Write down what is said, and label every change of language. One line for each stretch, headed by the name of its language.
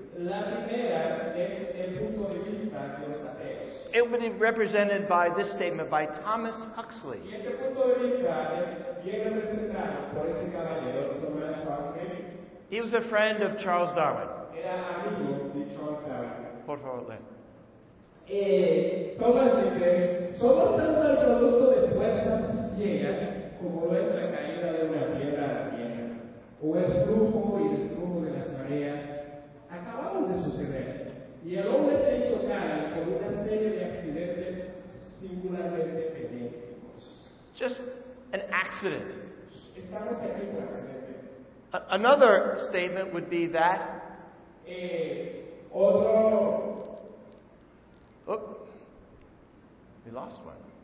Spanish: La primera es el punto de vista de los ateos.
English: It would be represented by this statement by Thomas Huxley.
Spanish: Y ese punto de vista es bien representado por este caballero, Thomas Huxley.
English: He was a friend of Charles Darwin.
Spanish: Era amigo de Charles Darwin. Por favor, lee. Thomas dice, somos tanto el producto de fuerzas ciegas como es la caída de una piedra a la tierra, o el flujo y el flujo de las mareas, acabamos de suceder, y el hombre se hizo cara con una serie de accidentes singularmente benéficos.
English: Just an accident.
Spanish: Estamos aquí por accidente.
English: Another statement would be that we lost one.